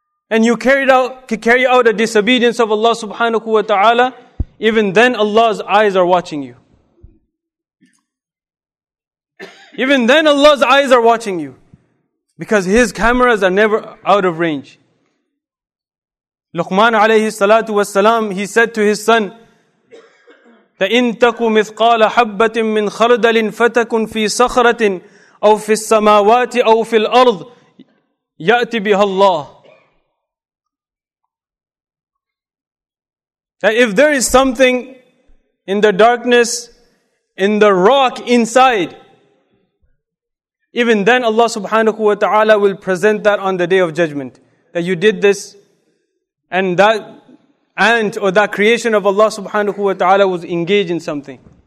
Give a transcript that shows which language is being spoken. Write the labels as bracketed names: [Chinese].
[English] And you carry out a disobedience of Allah subhanahu wa ta'ala. Even then Allah's eyes are watching you. Even then Allah's eyes are watching you. Because His cameras are never out of range. [Arabic] Luqman alayhi salatu wa salam, [English] he said to his son, [Arabic] لَإِن تَقُ مِثْقَالَ حَبَّةٍ مِّنْ خَرْدَلٍ فَتَكُنْ فِي صَخْرَةٍ أَوْ فِي السَّمَاوَاتِ أَوْ فِي الْأَرْضِ يَأْتِ بِهَا اللَّهِ. [English] That if there is something in the darkness, in the rock inside, even then Allah subhanahu wa ta'ala will present that on the day of judgment. That you did this, And that ant or that creation of Allah subhanahu wa ta'ala was engaged in something.